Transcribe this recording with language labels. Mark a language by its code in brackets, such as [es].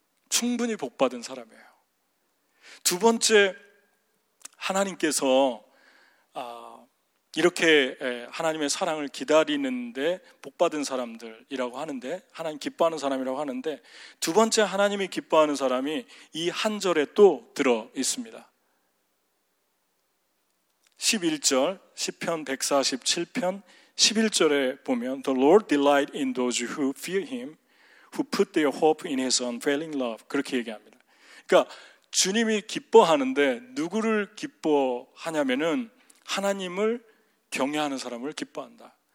[ko] 충분히 복받은 사람이에요. 두 번째, 하나님께서 이렇게 하나님의 사랑을 기다리는데 복받은 사람들이라고 하는데 하나님 기뻐하는 사람이라고 하는데 두 번째 하나님이 기뻐하는 사람이 이 한 절에 또 들어 있습니다. 11절 시편 147편 11절에 보면 [en] The Lord delight in those who fear him who put their hope in his unfailing love [ko] 그렇게 얘기합니다. 그러니까 주님이 기뻐하는데 누구를 기뻐하냐면은 하나님을 경외하는 사람을 기뻐한다.